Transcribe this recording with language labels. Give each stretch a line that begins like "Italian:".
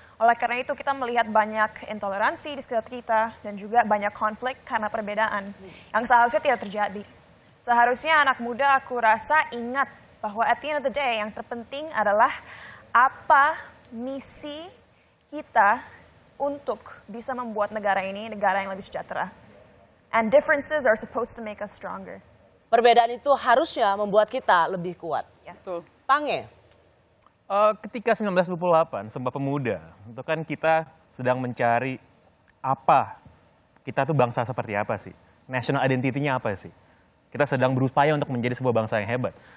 Indonesian: Oleh karena itu kita melihat banyak intoleransi di sekitar kita dan juga banyak konflik karena perbedaan yang seharusnya tidak terjadi. Seharusnya anak muda aku rasa ingat bahwa
English: at the end of the day
Indonesian: yang terpenting adalah apa misi kita untuk bisa membuat negara ini negara yang lebih sejahtera.
English: And differences are supposed to make us stronger.
Indonesian: Perbedaan itu harusnya membuat kita lebih kuat.
English: Yes. Pange.
Indonesian: Ketika 1928, Sumpah Pemuda, itu kan kita sedang mencari apa, kita tuh bangsa seperti apa sih?
English: National identity-
Indonesian: nya apa sih? Kita sedang berupaya untuk menjadi sebuah bangsa yang hebat.